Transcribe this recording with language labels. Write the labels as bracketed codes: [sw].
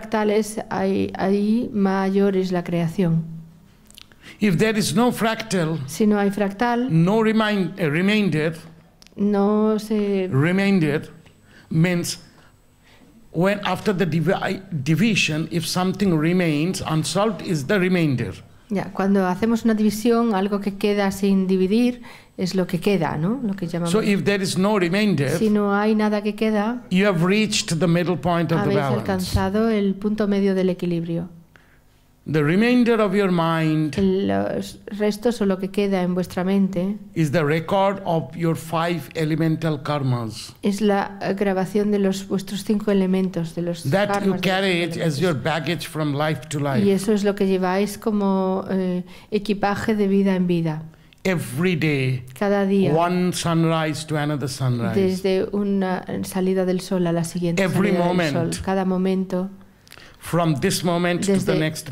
[es] Fractales hay ahí, mayor es la creación. [en] If there is no fractal, [es] si no hay fractal, [en] no remainder. [es] No se [en] remainder means when after the division, if something remains unsolved, is the remainder. [es] Ya, cuando hacemos una división, algo que queda sin dividir es lo que queda, ¿no? Lo que llamamos. [en] So if there is no remainder, [es] si no hay nada que queda, [en] you have reached the middle point of the balance. [es] Habéis alcanzado el punto medio del equilibrio. [en] The remainder of your mind. [es] Los restos o lo que queda en vuestra mente. [en] Is the record of your five elemental karmas. [es] Es la grabación de los vuestros cinco elementos de los. [en] That you carry it as your baggage from life to life. [es] Y eso es lo que lleváis como equipaje de vida en vida. [en] Every day. [es] Cada día. [en] One sunrise to another sunrise. [es] Desde una salida del sol a la siguiente. [en] Every moment. [es] Del sol, cada momento. [en] From this moment [es] desde [en] to the next